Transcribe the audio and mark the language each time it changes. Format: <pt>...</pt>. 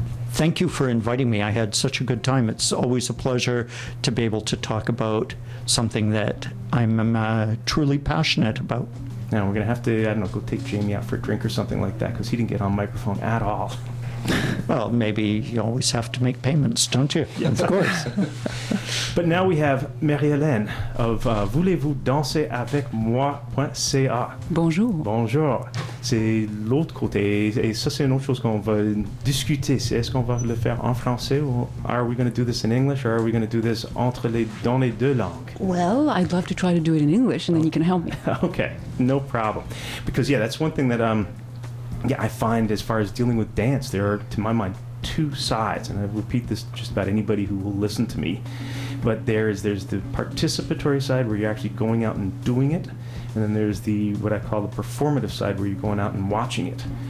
<en>Thank you for inviting me. I had such a good time. It's always a pleasure to be able to talk about something that I'm truly passionate about. Now, we're going to have to, I don't know, go take Jamie out for a drink or something like that, because he didn't get on microphone at all. Well, maybe you always have to make payments, don't you? Yes, of course. But now we have Marie-Hélène of Voulez-vous danser avec moi.ca.</en> <fr>Bonjour. Bonjour. C'est l'autre côté, et ça c'est une autre chose qu'on va discuter. C'est est-ce qu'on va le faire en français,</fr> <en>or are we going to do this in English, or are we going to do this</en> <fr>entre les, dans les deux langues?</fr> <en>Well, I'd love to try to do it in English, and then you can help me. Okay, no problem. Because, yeah, that's one thing that I find as far as dealing with dance, there are, to my mind, two sides, and I repeat this to just about anybody who will listen to me, but there's the participatory side where you're actually going out and doing it, and then there's the, what I call the performative side, where you're going out and watching it.</en>